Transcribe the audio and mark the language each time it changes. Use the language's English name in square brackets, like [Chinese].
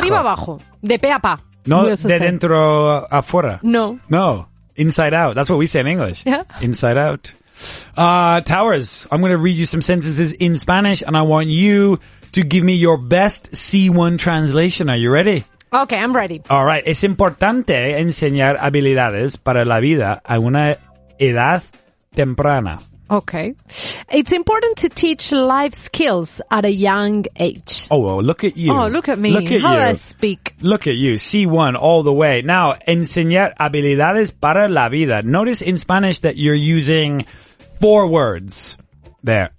[Spanish] De arriba abajo. De pe a pa. No, de dentro afuera. No. [English] No. Inside out. That's what we say in English. Yeah. Inside out. Towers, I'm going to read you some sentences in Spanish, and I want you to give me your best C1 translation. Are you ready? Okay, I'm ready. All right. [Spanish] Es importante enseñar habilidades para la vida a una edad temprana. [English] Okay. It's important to teach life skills at a young age. Oh, well, look at you. Oh, look at me. Look at how you. How I speak. Look at you. C1 all the way. Now, [Spanish] enseñar habilidades para la vida. [English] Notice in Spanish that you're using 4 words there.